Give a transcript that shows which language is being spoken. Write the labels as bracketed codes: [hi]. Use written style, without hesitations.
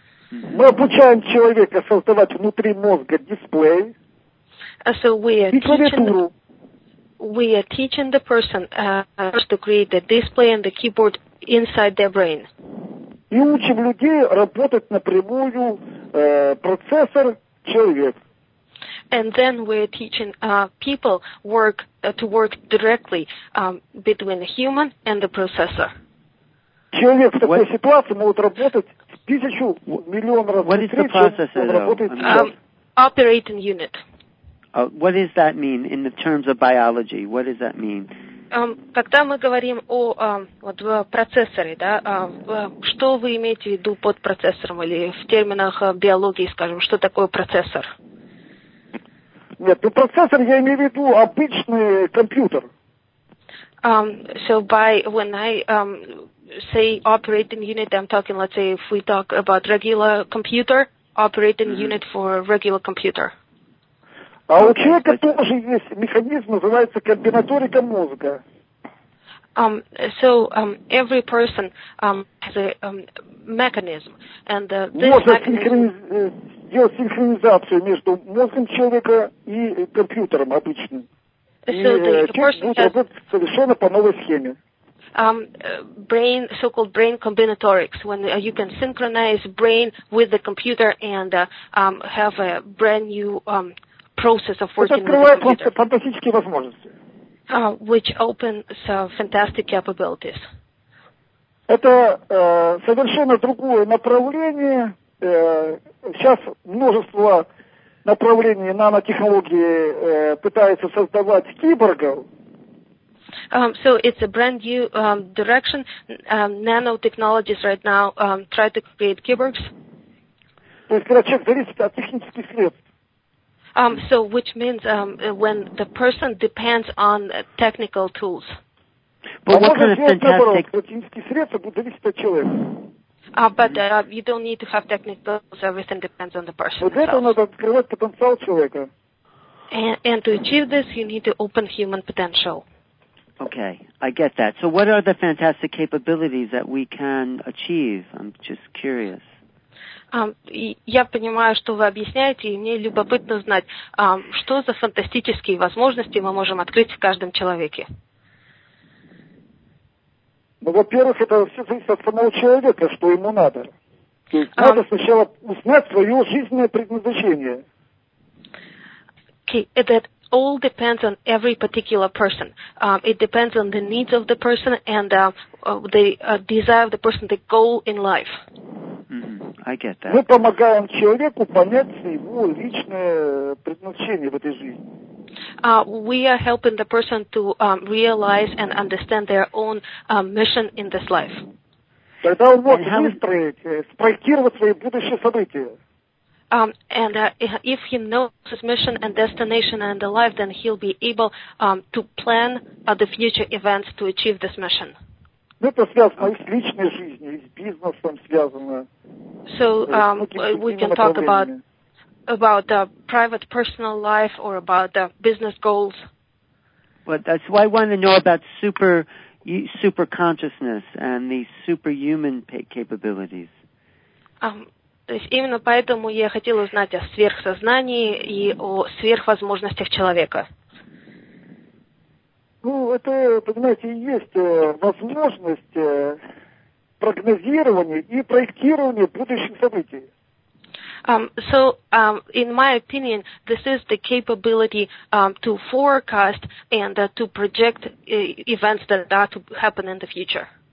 [ru] Мы обучаем человека создавать внутри мозга дисплей. [en] So we are teaching the person to create the display and the keyboard inside their brain. [ru] И учим людей работать напрямую процессор человек. [en] And then we're teaching people to work directly between the human and the processor. [ru] Человек в такой ситуации может работать в тысячу, миллион раз быстрее, чем работает [en] Operating unit. What does that mean in the terms of biology? What does that mean? [ru] Когда мы говорим о вот, процессоре, да, что вы имеете в виду под процессором или в терминах биологии, скажем, что такое процессор? Нет, ну процессор я имею в виду обычный компьютер. [en] So by when I say operating unit, I'm talking, let's say, if we talk about regular computer, operating mm-hmm. unit for regular computer. [ru] А у человека тоже есть механизм, называется комбинаторика мозга. [en] Every person has a mechanism, and this mechanism [ru] делает синхронизацию между мозгом человека и компьютером обычным. [en] So the person has [ru] совершенно по новой схеме. [en] Brain, so-called brain combinatorics, when you can synchronize brain with the computer and have a brand new process of working with the computer. [ru] Это открывает фантастические возможности. [en] Which opens fantastic capabilities. [ru] Это совершенно другое направление. Сейчас множество направлений нанотехнологии пытаются создавать киборгов. [en] So it's a brand new direction. Nanotechnologies right now try to create cyborgs. То есть, когда человек зависит от технических средств. So which means when the person depends on technical tools. But what kind of fantastic [ru] технические средства будут зависеть от человека? [en] But you don't need to have technical tools. Everything depends on the person. [ru] Вот это надо открывать потенциал человека. [en] And to achieve this, you need to open human potential. Okay, I get that. So what are the fantastic capabilities that we can achieve? I'm just curious. [ru] Я понимаю, что вы объясняете, и мне любопытно знать, что за фантастические возможности мы можем открыть в каждом человеке. Ну, во-первых, это все зависит от самого человека, что ему надо. То есть надо сначала узнать свое жизненное предназначение. [en] Okay, that all depends on every particular person. It depends on the needs of the person and the desire of the person, the goal in life. I get that. [ru] Мы помогаем человеку понять его личное предназначение в этой жизни. [en] We are helping the person to realize and understand their own mission in this life. [ru] Тогда он может выстроить, спроектировать свои будущие события. [en] If he knows his mission and destination and the life, then he'll be able to plan the future events to achieve this mission. [ru] Ну, это связано и с личной жизнью, и с бизнесом связано. [en] So we can talk about private personal life or about business goals. Well, that's why I want to know about super consciousness and the superhuman capabilities. [ru] То есть именно поэтому я хотела узнать о сверхсознании и о сверхвозможностях человека. Ну, это, понимаете, и есть возможность прогнозирования и проектирования будущих событий. [en] In my opinion, this is the capability to forecast and to project events that are to happen in the future.